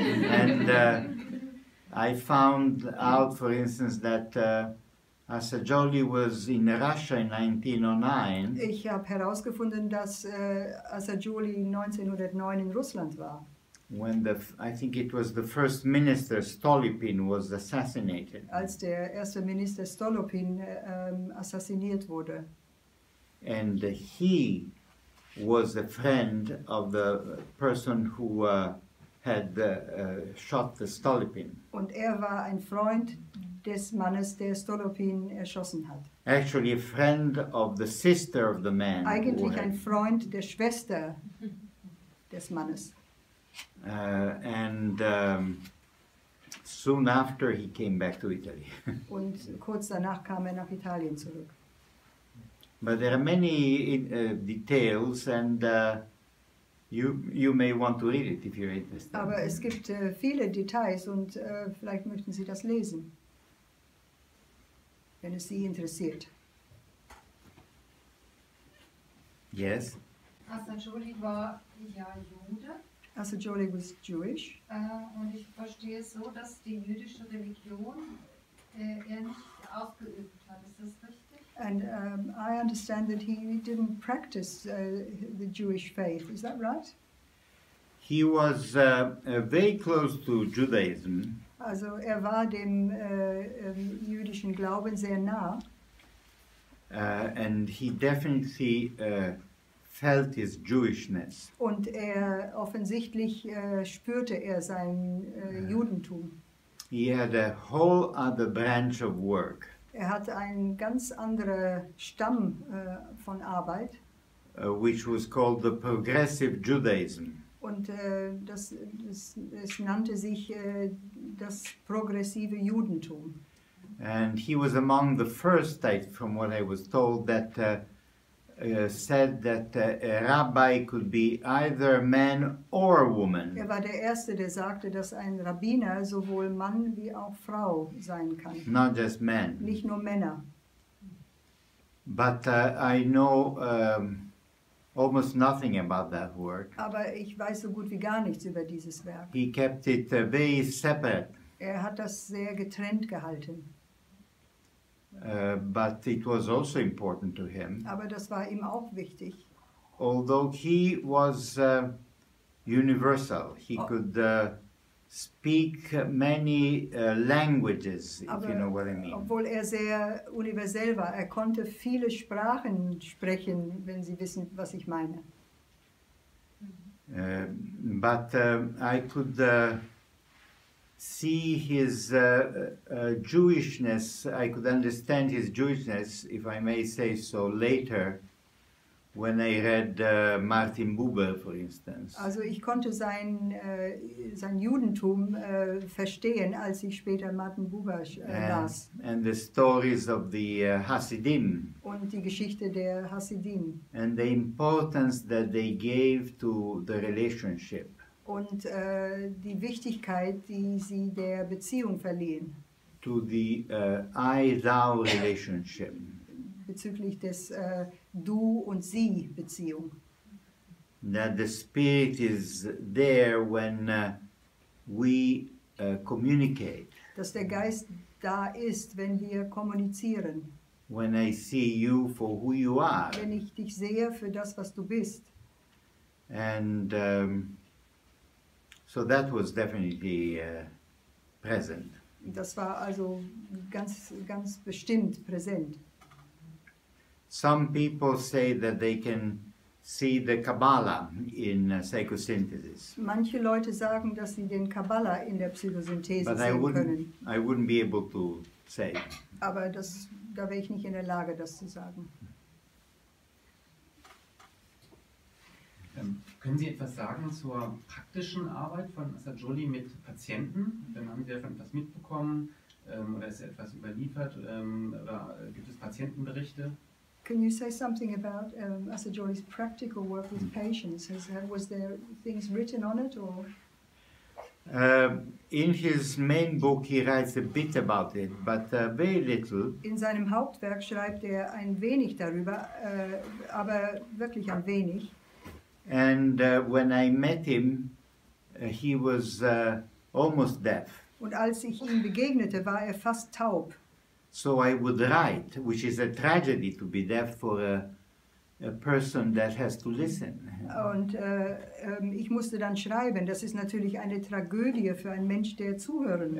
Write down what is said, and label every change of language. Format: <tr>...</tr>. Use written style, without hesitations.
<en>And I found out, for instance, that Assagioli was in Russia in 1909.</en> <de>Ich habe herausgefunden, dass Assagioli 1909 in Russland war.</de> <en>When the, I think it was the first minister Stolypin was assassinated.</en> <de>Als der erste Minister Stolypin assassiniert wurde.</de> <en>And he was a friend of the person who had shot the Stolypin.</en> <de>Und er war ein Freund des Mannes, der Stolypin erschossen hat.</de> <en>Actually, a friend of the sister of the man.</en> <de>Eigentlich ein Freund der Schwester des Mannes.</de> <en>And soon after he came back to Italy.</en> <de>Und kurz danach kam er nach Italien zurück.</de> <en>But there are many details, and you may want to read it if you're interested.</en> <de>Aber es gibt viele Details, und vielleicht möchten Sie das lesen, wenn es Sie interessiert.</de> <en>Yes.</en> <de>Assagioli war ja Jude.</de> <en>Assagioli was Jewish.</en> <de>Und ich verstehe es so, dass die jüdische Religion er nicht ausgeübt hat. Ist das richtig?</de> <en>And I understand that he didn't practice the Jewish faith. Is that right? He was very close to Judaism.</en> <de>Also er war dem jüdischen Glauben sehr nah.</de> <en>And he definitely felt his Jewishness.</en> <de>Und er offensichtlich spürte er sein Judentum.</de> <en>He had a whole other branch of work.</en> <de>Er hatte einen ganz anderen Stamm von Arbeit.</de> <en>Which was called the Progressive Judaism.</en> <de>Und das nannte sich das progressive Judentum.</de> <en>And he was among the first, from what I was told, that said that a rabbi could be either man or woman.</en> <de>Er war der Erste, der sagte, dass ein Rabbiner sowohl Mann wie auch Frau sein kann.</de> <en>Not just men.</en> <de>Nicht nur Männer.</de> <en>But I know almost nothing about that work.</en> <de>Aber ich weiß so gut wie gar nichts über dieses Werk.</de> <en>He kept it very separate.</en> <de>Er hat das sehr getrennt gehalten.</de> <en>But it was also important to him.</en> <de>Aber das war ihm auch wichtig.</de> <en>Although he was universal, he could speak many languages,</en> <de>aber</de> <en>if you know what I mean.</en> <de>Obwohl er sehr universell war, er konnte viele Sprachen sprechen, wenn Sie wissen, was ich meine.</de> <en>But I could see his Jewishness, I could understand his Jewishness, if I may say so, later, when I read Martin Buber, for instance.</en> <de>Also ich konnte sein Judentum verstehen, als ich später Martin Buber las.</de> <en>And the stories of the Hasidim.</en> <de>Und die Geschichte der Hasidim.</de> <en>And the importance that they gave to the relationship.</en> <de>Und die Wichtigkeit, die sie der Beziehung verliehen.</de> <en>To the I-Thou relationship.</en> <de>Bezüglich des Du- und Sie-Beziehung.</de> <en>That the spirit is there when we communicate.</en> <de>Dass der Geist da ist, wenn wir kommunizieren.</de> <en>When I see you for who you are.</en> <de>Wenn ich dich sehe für das, was du bist.</de> <en>And so that was definitely present.</en> <de>Das war also ganz, ganz bestimmt präsent.</de> <en>Some people say that they can see the Kabbalah in psychosynthesis.</en> <de>Manche Leute sagen, dass sie den Kabbalah in der Psychosynthese sehen können.</de> <en>But I wouldn't be able to say.</en> <de>Aber das, da wäre ich nicht in der Lage, das zu sagen. Können Sie etwas sagen zur praktischen Arbeit von Assagioli mit Patienten? Dann haben Sie davon etwas mitbekommen oder ist etwas überliefert? Oder gibt es Patientenberichte?</de> <en>Can you say something about Assagioli's practical work with patients? Was there things written on it? Or? In his main book he writes a bit about it, but very little.</en> <de>In seinem Hauptwerk schreibt er ein wenig darüber, aber wirklich ein wenig.</de> <en>And when I met him, he was almost deaf.</en> <de>Und als ich ihm begegnete, war er fast taub.</de> <en>So I would write, which is a tragedy to be deaf for a person that has to listen.</en> <de>Und ich musste dann schreiben. Das ist natürlich eine Tragödie für einen Mensch, der zuhören muss.</de>